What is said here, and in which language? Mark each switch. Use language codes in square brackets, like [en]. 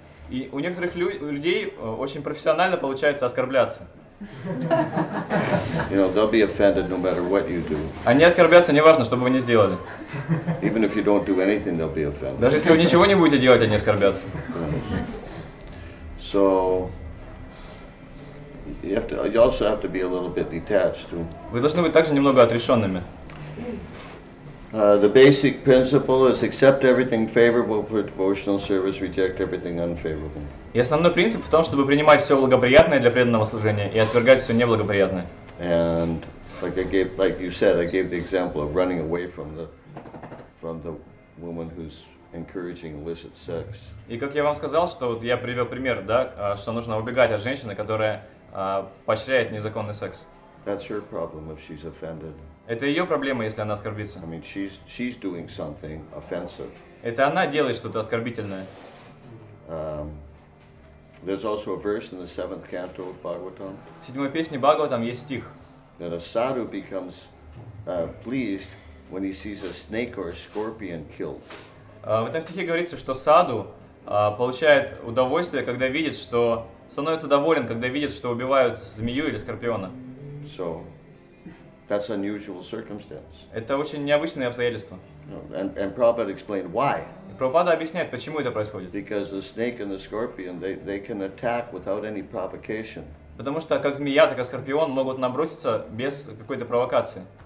[ru] И у некоторых людей очень профессионально получается оскорбляться. [en] You know, they'll be offended no matter what you do. [ru] Они оскорбятся, неважно, что бы вы ни сделали. [en] Even if you don't do anything, they'll be offended. [ru] Даже если вы ничего не будете делать, они оскорбятся. [en] So you also have to be a little bit detached too. [ru] Вы должны быть также немного отрешенными. [en] The basic principle is accept everything favorable for devotional service, reject everything unfavorable. [ru] И основной принцип в том, чтобы принимать все благоприятное для преданного служения и отвергать все неблагоприятное. [en] And like you said, I gave the example of running away from the woman who's encouraging illicit sex. [ru] И как я вам сказал, что вот я привел пример, да, что нужно убегать от женщины, которая поощряет незаконный секс. [en] That's her problem if she's offended. [ru] Это ее проблема, если она оскорбится. [en] I mean, she's doing something offensive. [ru] Это она делает что-то оскорбительное. [en] There's also a verse in the seventh canto of Bhagavatam. [ru] В седьмой песне Бхагаватам есть стих. [en] That a sadhu becomes pleased when he sees a snake or a scorpion killed. [ru] В этом стихе говорится, что саду получает удовольствие, когда видит, что становится доволен, когда видит, что убивают змею или скорпиона. [en] So that's unusual circumstance. [ru] Это очень необычное обстоятельство. [en] And Prabhupada explained why. [ru] Прабхупада объясняет, почему это происходит. [en] Because the snake and the scorpion, they can attack without any provocation. [ru] Потому что как змея, так и скорпион могут наброситься без какой-то провокации.